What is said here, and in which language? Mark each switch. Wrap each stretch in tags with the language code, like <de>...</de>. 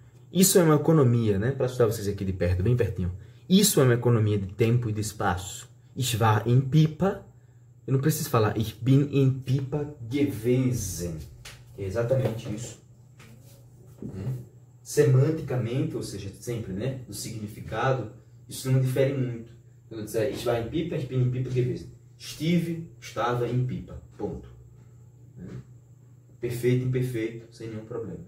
<pt>Isso é uma economia, né? Para ajudar vocês aqui de perto, bem pertinho. Isso é uma economia de tempo e de espaço.</pt> <de>Ich war in Pipa.</de> <pt>Eu não preciso falar</pt> <de>Ich bin in Pipa gewesen.</de> <pt>É exatamente isso. Semanticamente, ou seja, sempre, né? Do significado, isso não difere muito. Quando eu disser</pt> <de>Ich war in Pipa, Ich bin in Pipa gewesen.</de> <pt>Estive, estava em Pipa. Ponto. Perfeito, imperfeito, sem nenhum problema.</pt>